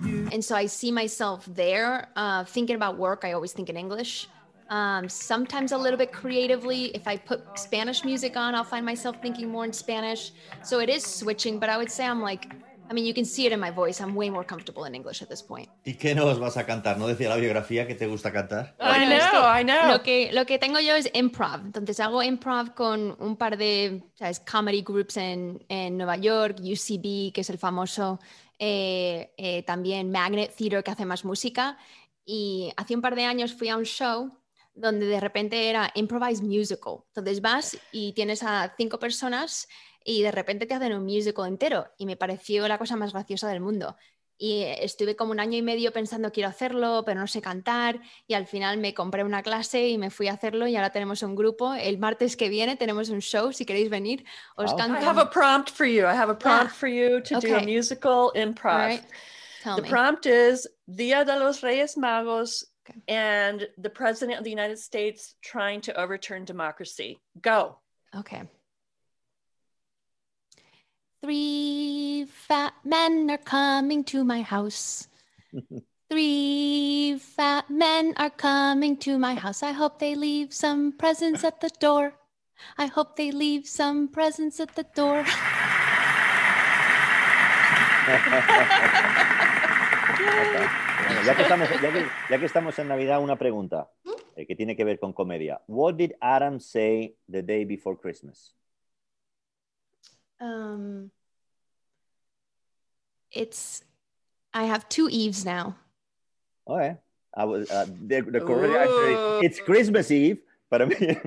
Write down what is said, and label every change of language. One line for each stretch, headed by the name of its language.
English: And so I see myself there, thinking about work, I always think in English. Sometimes a little bit creatively, if I put Spanish music on, I'll find myself thinking more in Spanish. So it is switching, but I would say I'm like, I mean, you can see it in my voice. I'm way more comfortable in English at this point.
Spanish: ¿Y qué no os vas a cantar? ¿No decía la biografía que te gusta cantar?
English: I know.
Spanish: Lo que tengo yo es improv. Entonces hago improv con un par de, ¿sabes? Comedy groups en Nueva York, UCB, que es el famoso... también Magnet Theater, que hace más música, y hace un par de años fui a un show donde de repente era improvised musical. Entonces vas y tienes a 5 personas y de repente te hacen un musical entero y me pareció la cosa más graciosa del mundo y estuve como un año y medio pensando quiero hacerlo pero no sé cantar y al final me compré una clase y me fui a hacerlo y ahora tenemos un grupo. El martes que viene tenemos un show, si queréis venir os canto.
English: I have a prompt for you to okay. do a musical improv. All right. Tell the me. Prompt is Día de los Reyes Magos okay. and the President of the United States trying to overturn democracy. Go. Okay. 3 fat men are coming to my house. 3 fat men are coming to my house. I hope they leave some presents at the door. I hope they leave some presents at the door.
Spanish: Bueno, ya que estamos en Navidad, una pregunta que tiene que ver con comedia.
English: What did Adam say the day before Christmas? It's, I have 2 Eves now. Oh, yeah. I was the correct answer is, it's Christmas Eve, but I mean,